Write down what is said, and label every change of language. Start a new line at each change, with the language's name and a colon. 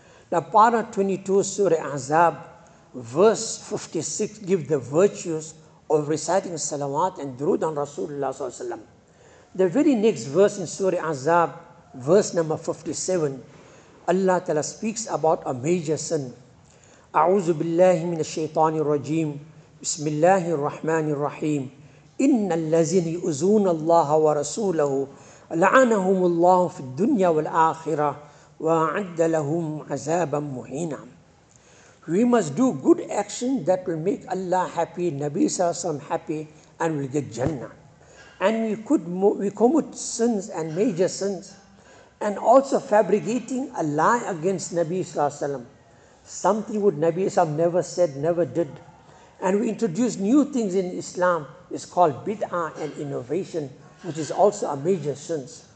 English: Now, Parah 22, Surah Ahzab, verse 56, give the virtues of reciting salawat and durood on Rasulullah sallallahu alayhi wa sallam. The very next verse in Surah Ahzab, verse number 57, Allah Ta'ala speaks about a major sin.
Arabic: أعوذ بالله من الشيطان الرجيم بسم الله الرحمن الرحيم إن الذين يؤذون الله ورسوله لعنهم الله في الدنيا والآخرة وأعد لهم عذابا مهينا.
English: We must do good action that will make Allah happy, Nabi صلى الله عليه وسلم happy, and will get Jannah. And we commit sins and major sins, and also fabricating a lie against Nabi صلى الله عليه وسلم. Something would Nabi Islam never said, never did. And we introduce new things in Islam, is called bid'ah and innovation, which is also a major sin.